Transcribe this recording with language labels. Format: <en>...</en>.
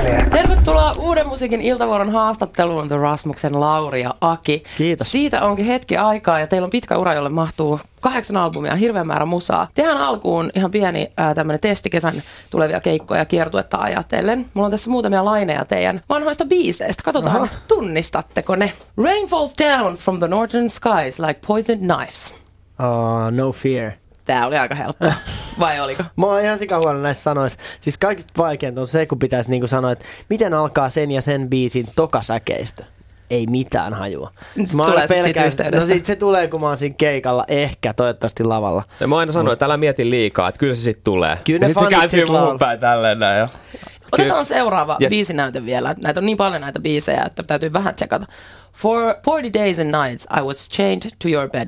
<fi>Tervetuloa Uuden musiikin iltavuoron haastatteluun The Rasmuksen Lauri ja Aki. Kiitos. Siitä onkin hetki aikaa ja teillä on pitkä ura, jolle mahtuu 8 albumia ja hirveän määrä musaa. Tehän alkuun ihan pieni tämmönen testikesän tulevia keikkoja kiertuetta ajatellen. Mulla on tässä muutamia laineja teidän vanhoista biiseistä. Katsotaan, tunnistatteko ne.</fi> <en>Rainfalls down from the northern skies like poisoned knives. No fear.</en> <fi>Tää oli aika helppo. Vai oliko? Mä oon ihan sika huono näissä sanoissa. Siis kaikista vaikeinta on se, kun pitäisi niinku sanoa, että miten alkaa sen ja sen biisin tokasäkeistö. Ei mitään hajua. Mä se tulee, kun mä oon siinä keikalla, ehkä toivottavasti lavalla. Ja mä aina sanoin, että älä mieti liikaa, että kyllä se sit tulee. Kyllä sit se kääntyy muun päin tälleen näin. Otetaan seuraava biisinäyte vielä. Näitä on niin paljon näitä biisejä, että täytyy vähän tsekata.</fi> <en>For 40 days and nights I was chained to your bed.</en>